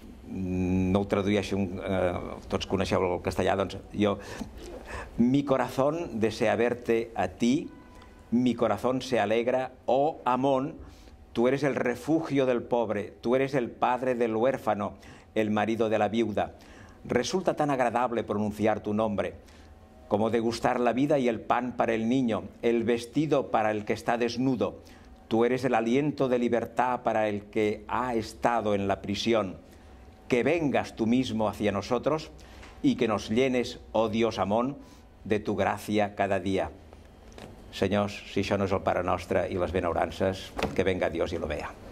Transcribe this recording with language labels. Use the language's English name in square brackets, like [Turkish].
[Catalan] No ho tradueixo, tots coneixeu el castellà, doncs jo... [Spanish] Mi corazón desea verte a ti, mi corazón se alegra, oh Amón, tú eres el refugio del pobre, tú eres el padre del huérfano, el marido de la viuda. Resulta tan agradable pronunciar tu nombre, como degustar la vida y el pan para el niño, el vestido para el que está desnudo. Tú eres el aliento de libertad para el que ha estado en la prisión. Que vengas tú mismo hacia nosotros y que nos llenes, oh Dios Amón, de tu gracia cada día. [Catalan] Senyors, si això no és el Pare Nostre i les benaurances, [Spanish] que venga Dios [Catalan] i lo vea.